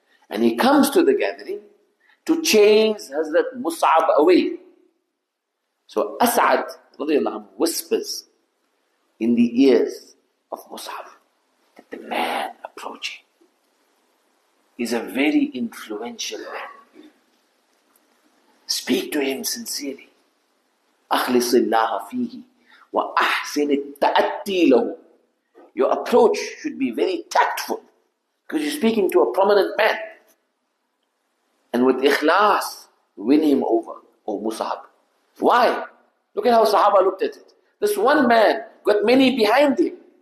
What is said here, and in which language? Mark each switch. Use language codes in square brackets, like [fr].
[en] And he comes to the gathering to chase Hazrat Mus'ab away. So As'ad radiallahu anhu whispers in the ears of Mus'ab that the man approaching is a very influential man. Speak to him sincerely. [ar] أخلص الله فيه وأحسن التأتي له. [en] Your approach should be very tactful because you're speaking to a prominent man. And with ikhlas, win him over, O Mus'ab. Why? Look at how Sahaba looked at it. This one man got many behind him.